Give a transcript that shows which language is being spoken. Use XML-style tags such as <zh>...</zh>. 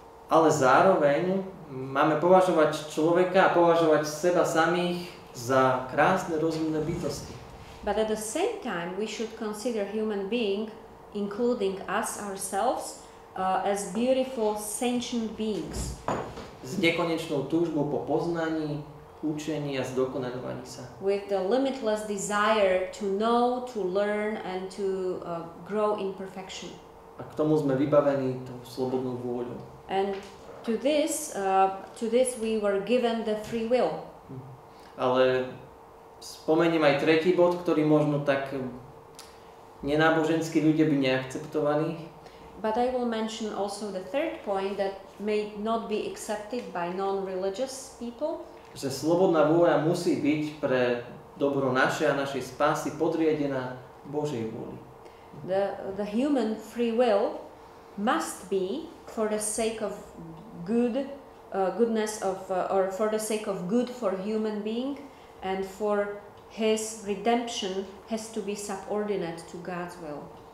<sk>Ale zároveň máme považovať človeka a považovať seba samých za krásne rozumné bytosti.</sk> <en>But at the same time we should consider human being, including us, ourselves, as beautiful, sentient beings.</en> <sk>S nekonečnou túžbou po poznaní, učení a zdokonaľovaní sa.</sk> <en>With the limitless desire to know, to learn and to grow in perfection.</en> <sk>A k tomu sme vybavení tou slobodnou vôľou.</sk> <en>And to this we were given the free will.</en> <sk>Ale spomeniem aj tretí bod, ktorý možno tak nenáboženskí ľudia by neakceptovali.</sk> <en>But I will mention also the third point that may not be accepted by non-religious people.</en> <sk>Že slobodná vôľa musí byť pre dobro naše a našej spásy podriadená Božej vôli.</sk> <en>The human free will must be for the sake of good, goodness of, or for the sake of good for human being, and for his redemption has to be subordinate to God's will.</en>